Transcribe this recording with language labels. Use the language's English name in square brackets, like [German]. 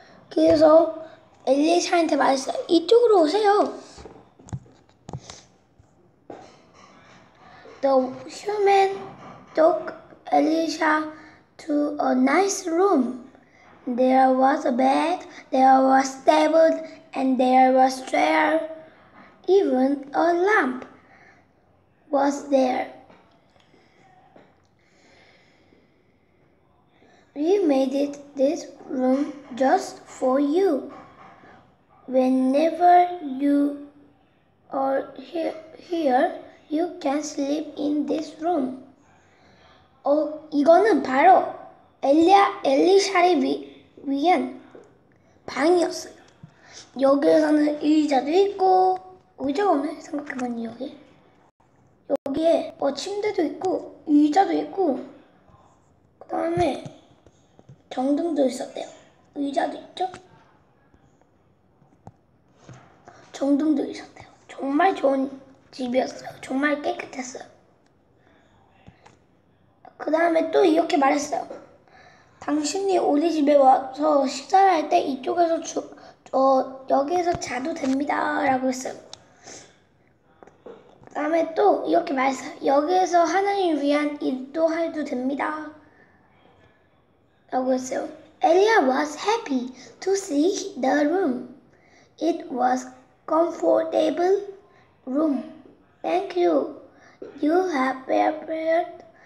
[Korean] 그래서 엘리샤한테 말했어요. 이쪽으로 오세요. [English] The human took Elisha to a nice room. There was a bed, there was a table, and there was a chair. Even a lamp was there. We made it this room just for you. Whenever you are here, you can sleep in this room. [Korean] 이거는 바로 엘리샤를 위한 방이었어요. 여기에서는 의자도 있고, 의자가 없네, 생각해보니 여기에 침대도 있고, 의자도 있고, 그 다음에 정등도 있었대요. 의자도 있죠? 정등도 있었대요. 정말 좋은 집이었어요. 정말 깨끗했어요. 그 다음에 또 이렇게 말했어요. 당신이 우리 집에 와서 식사를 할 때 이쪽에서 여기에서 자도 됩니다 라고 했어요. 그 다음에 또 이렇게 말했어요. 여기에서 하나님을 위한 일도 해도 됩니다 라고 했어요. [English] Elia was happy to see the room. It was a comfortable room. Thank you. You have prepared